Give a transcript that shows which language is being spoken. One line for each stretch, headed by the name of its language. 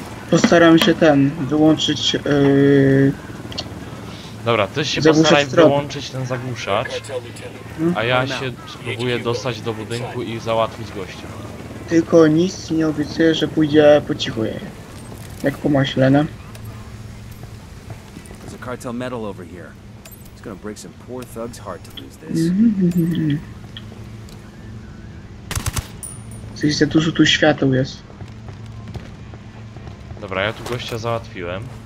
Polish: Postaram się ten wyłączyć. Dobra, ty się postaraj wyłączyć ten zagłuszacz, a ja się spróbuję dostać do budynku i załatwić gościa. Tylko nic nie obiecuję, że pójdzie po cichu jej. Jak po maśle, no?
English: There's a cartel metal over here. It's gonna break some poor thug's heart to lose this.
Polish: Coś za dużo tu świateł jest. Dobra, ja tu gościa załatwiłem.